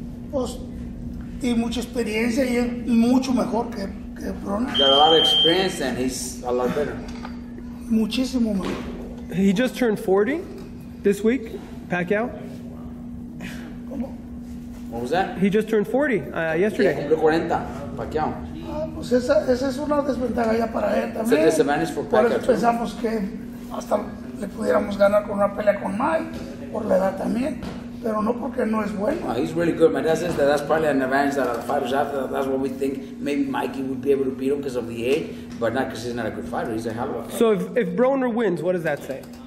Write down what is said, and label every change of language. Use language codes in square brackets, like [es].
[es] Pues, y mucha experiencia y es mucho mejor que. [en] He's got a lot of experience and he's a lot better. [es] Muchísimo mejor. [en] He just turned 40 this week, Pacquiao. [es] ¿Cómo? [en] What was that? He just turned 40 yesterday. [es] Yeah, cumplió 40, Pacquiao. Ah, pues esa es una desventaja ya para él también. [en] It's a disadvantage for Pacquiao. [es] Por eso pensamos que hasta le pudiéramos ganar con una pelea con Mike, por la edad también. Pero no porque no es bueno. [en] Oh, he's really good, man. That's, just, that's probably an advantage that the fighters have. That's what we think. Maybe Mikey would be able to beat him because of the age, but not because he's not a good fighter. He's a hell of a fighter. So if Broner wins, what does that say?